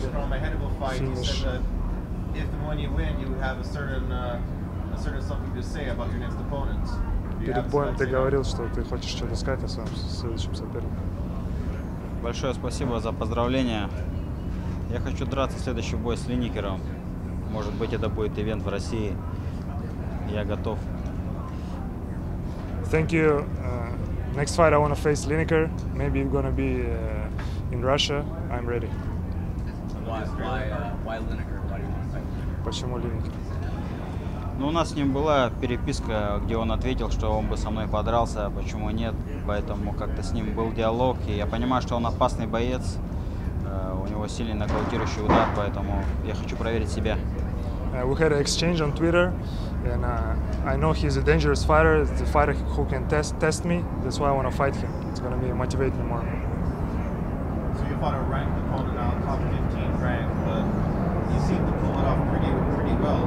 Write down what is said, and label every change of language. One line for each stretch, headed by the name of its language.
English: from ahead of a fight, you said that if and when you win, you would have a certain something to say about your next opponent.
Russian: Перед боем ты говорил, что ты хочешь что-то сказать о своем следующем сопернике. Большое спасибо за поздравления. Я хочу драться в следующий бой с Линникером. Может быть, это будет ивент в России. Я готов.
English: Thank you. Next fight I want to face Lineker. Maybe it's gonna be in Russia. I'm ready. Why Lineker? Why do you want to fight?
Russian: Почему Линникер? Ну, у нас с ним была переписка, где он ответил, что он бы со мной подрался, а почему нет. Поэтому как-то с ним был диалог. И я понимаю, что он опасный боец. У него сильный нокаутирующий удар, поэтому я хочу проверить себя.
English: We had an exchange on Twitter, and I know he's a dangerous fighter, the fighter who can test me. That's why I want to fight him. It's going to be motivating more. So you fought a ranked opponent out, top 15 ranked, but you seem to pull it off pretty well.